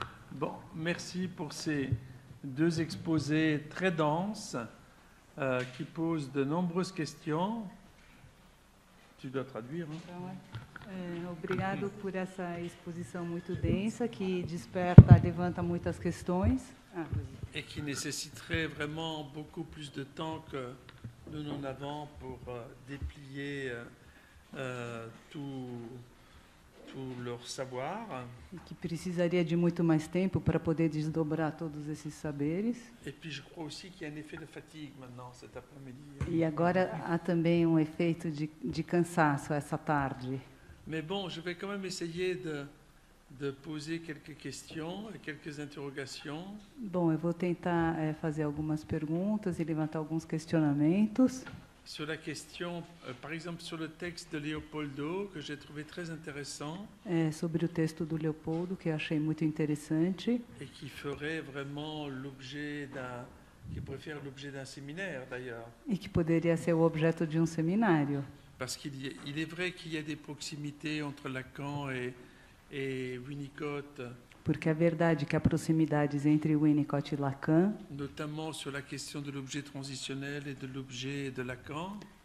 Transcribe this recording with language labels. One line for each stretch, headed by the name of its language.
French: Bom, merci pour ces deux exposés très denses qui posent de nombreuses questions. Tu dois traduire, hein?
Portuguese: Obrigado por essa exposição muito densa que desperta, levanta muitas questões.
French: Ah, et qui nécessiterait vraiment beaucoup plus de temps que nous n'en avons pour déplier tout leur savoir.
Portuguese: E que precisaria de muito mais tempo para poder desdobrar todos esses saberes.
French: Et puis je crois aussi qu'il y a un effet de fatigue maintenant cet après-midi.
Portuguese: E agora há também um efeito de cansaço essa tarde.
French: Mais bon, je vais quand même essayer de poser quelques questions et quelques interrogations.
Portuguese: Bom, eu vou tentar fazer algumas perguntas e levantar alguns questionamentos.
French: Sur la question, par exemple, sur le texte de Leopoldo, que j'ai trouvé très intéressant.
Portuguese: Sobre o texto do Leopoldo, que achei muito interessante.
French: Et qui ferait vraiment l'objet d'un, qui pourrait faire l'objet d'un séminaire, d'ailleurs.
Portuguese: E que poderia ser o objeto de um seminário.
French: Parce qu'il y a, il est vrai qu'il y a des proximités entre Lacan et Winnicott.
Portuguese: Porque a verdade é que há proximidades entre Winnicott e Lacan,
French: notamment sur la question de l'objet transitionnel et de l'objet de Lacan.